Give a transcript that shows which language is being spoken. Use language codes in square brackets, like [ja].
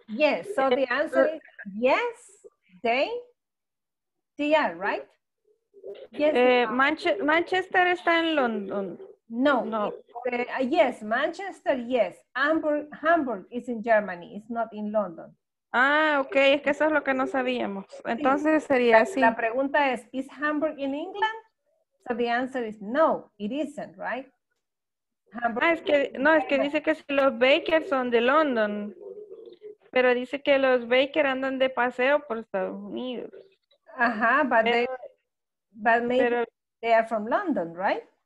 [en] Yes, so the answer is yes, they are, right? [es] Yes. Manchester está en London. No, no. [en] Yes, Manchester, yes. Hamburg is in Germany, it's not in London. [es] Ah, ok, es que eso es lo que no sabíamos. Entonces sí. Sería así. La pregunta es, [en] ¿is Hamburg in England? So the answer is no, it isn't, right? [es] Hamburg ah, es que, no, es que dice que si los Bakers son de London, pero dice que los Bakers andan de paseo por Estados Unidos. [en] Ajá, but maybe they are from London, right?